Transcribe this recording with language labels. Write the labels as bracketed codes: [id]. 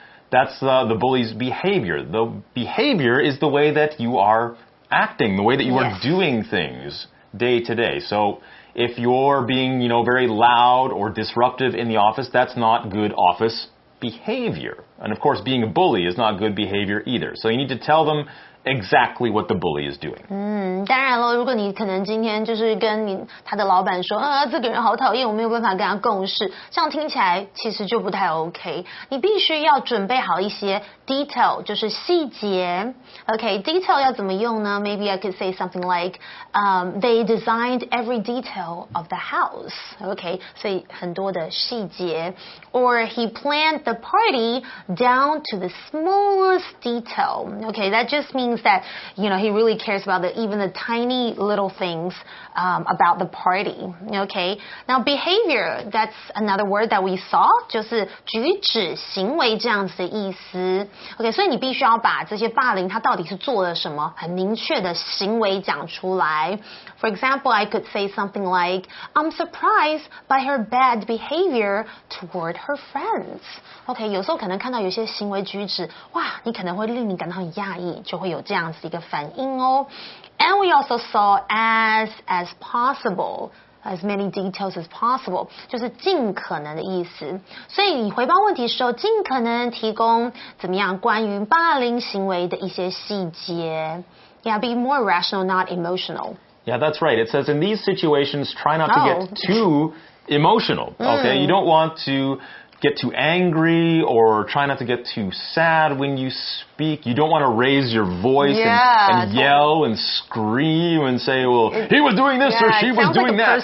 [en] That's the bully's behavior. The behavior is the way that you are acting, the way that you are doing things day to day. So if you're being, you know, very loud or disruptive in the office, that's not good office behavior. And of course, being a bully is not good behavior either. So you need to tell them... Exactly what the bully is doing. [zh] 当然了，如果你可能今天就是跟你他的老板说，这个人好讨厌，我没有办法跟他共事，这样听起来其实就不太 OK。你必须要准备好一些 detail， 就是细节。 [en] Okay, detail [zh] 要怎么用呢 [en] ？Maybe I could say something like, they designed every detail of the house. [zh] Okay, 所以很多的细节。 [en] Or he planned the party down to the smallest detail. Okay, that just means that, you know, he really cares about even the tiny little things, about the party. Okay, now behavior, that's another word that we saw, [zh] 就是举止行为这样子的意思。 Okay, 所以你必须要把这些霸凌他到底是做了什么很明确的行为讲出来。 [en] For example, I could say something like, I'm surprised by her bad behavior toward her friends. [zh] Okay, 有时候可能看到有些行为举止，哇，你可能会令你感到很讶异，就会有这样子一个反应哦。 [en] And we also saw as possible, as many details as possible, [zh] 就是尽可能的意思。所以你回报问题的时候，尽可能提供怎么样关于霸凌行为的一些细节。 [en] Yeah, be more rational, not emotional. Yeah, that's right. It says in these situations, try not to get too emotional. Okay, you don't want to get too angry or try not to get too sad when you speak. You don't want to raise your voice and yell and scream and say, well, he was doing this or she was doing that.